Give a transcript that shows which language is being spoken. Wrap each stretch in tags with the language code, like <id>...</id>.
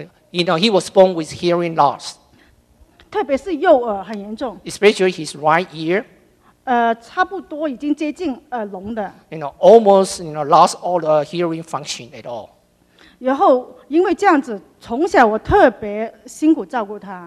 <en>You know, he was born with hearing loss.</en> <zh>特别是右耳很严重。</zh> <en>Especially his right ear.</en> <zh>差不多已经接近耳聋的。</zh> <en>You know, almost, you know, lost all the hearing function at all.</en> <zh>然后因为这样子，从小我特别辛苦照顾他。</zh>